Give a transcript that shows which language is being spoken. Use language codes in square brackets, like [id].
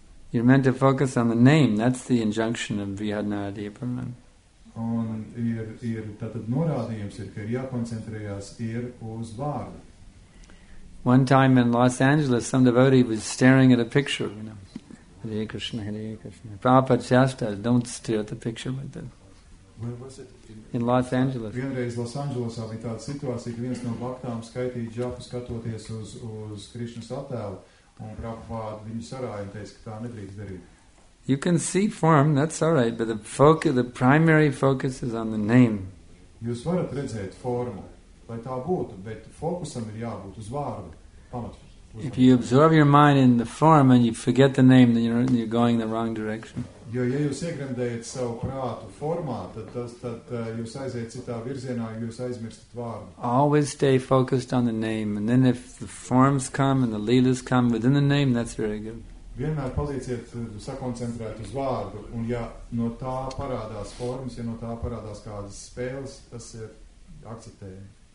[en] You're meant to focus on the name. That's the injunction of Brihad Naradiya Purana. [lv] Un ir tātad norādījums ir, ka ir jākoncentrējās ir uz vārdu. [en] One time in Los Angeles, some devotee was staring at a picture, you know. Hare Krishna, Hare Krishna. Prabhupada Shastra, don't stare at the picture like that. Where was it? In Los Angeles. [lv] Vienreiz Los Angelesā bija tāda situācija, ka viens no baktām skaitīja džapu skatoties uz Krishnas attēlu, un Prabhupada viņu sarāja un teica, ka tā nedrīkst darīt. [en] You can see form, that's all right, but the primary focus is on the name. [lv] Jūs varat redzēt formu, lai tā būtu, bet fokusam ir jābūt uz vārdu. [en] If you absorb your mind in the form and you forget the name, then you're going the wrong direction. [lv] Jo, ja jūs iegrimdējat savu prātu formā, tad jūs aiziet citā virzienā, jūs aizmirstat vārdu. [en] Always stay focused on the name, and then if the forms come and the leaders come within the name, that's very good. [lv] Vienmēr palieciet sakoncentrēt uz vārdu, un ja no tā parādās formas, ja no tā parādās kādas spēles, tas ir akceptējami.